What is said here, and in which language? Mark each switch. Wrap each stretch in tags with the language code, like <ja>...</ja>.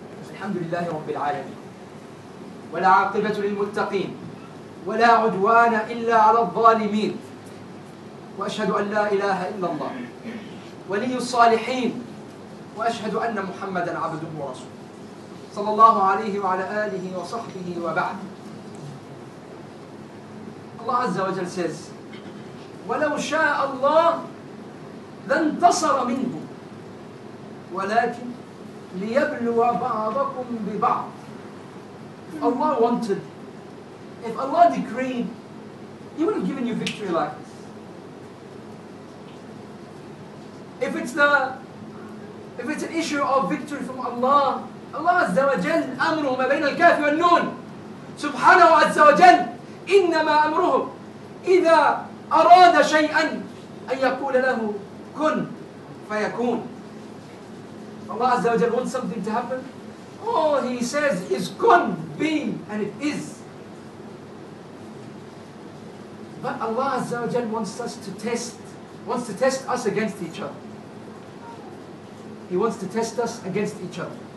<ar>الحمد لله رب العالمين ولا عاقبة للمتقين ولا عدوان إلا على الظالمين وأشهد أن لا إله إلا الله ولي الصالحين وأشهد أن محمدًا عبده ورسوله صلى الله عليه وعلى آله وصحبه وبعد. الله عز وجل</ar> <en>says</en> <ar>ولو شاء الله لانتصر منهم ولكن ليبلو بعضكم ببعض.</ar> <en>Allah wanted, if Allah decreed, He would have given you victory like this. If it's an issue of victory from Allah, Allah Azza wa Jal</en> <ar>أمره ما بين الكاف والنون. سبحانه عز وجل إنما أمره إذا أراد شيئا أن يقول له كن فيكون.</ar> <en>Allah Azza wa Jal wants something to happen. All He says is kun, be, and it is. But Allah Azza wa Jal wants to test us against each other. He wants to test us against each other.</en>